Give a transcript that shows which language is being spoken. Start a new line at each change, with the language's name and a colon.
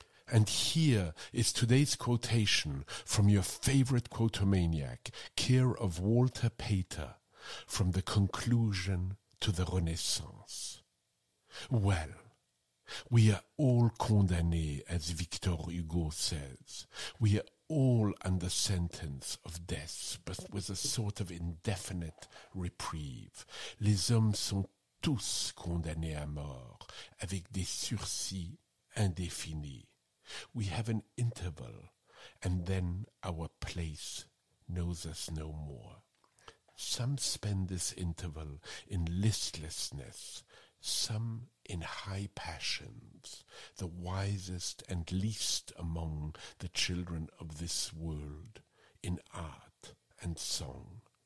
English: And here is today's quotation from your favorite quotomaniac, care of Walter Pater, from the conclusion to the Renaissance. Well, we are all condemned, as Victor Hugo says. We are all under sentence of death, but with a sort of indefinite reprieve.
French: Les hommes sont tous condamnés à mort, avec des sursis indéfinis.
English: We have an interval, and then our place knows us no more. Some spend this interval in listlessness, some in high passions. The wisest and least among the children of this world, in art and song.